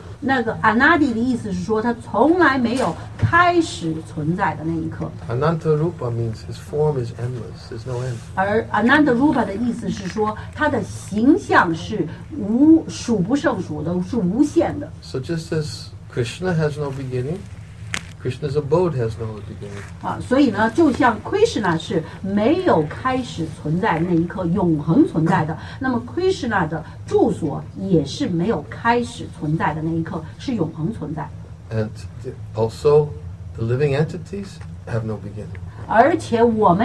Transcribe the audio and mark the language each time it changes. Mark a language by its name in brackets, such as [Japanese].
[Chinese] 那个 Anadi 的意思是说他从来没有开始存在的那一刻 [English] Ananta Rupa means his form is endless, there's no end. [Chinese] 而 Ananta Rupa 的意思是说他的形象是数不胜数的,是无限的 [English] So just as Krishna has no beginning, Krishna's abode has no beginning. [Chinese] 所以呢,就像 Krishna是没有开始存在那一刻,永恒存在的, 那么 Krishna的住所也是没有开始存在的那一刻,是永恒存在。 [English] And also, the living entities have no beginning.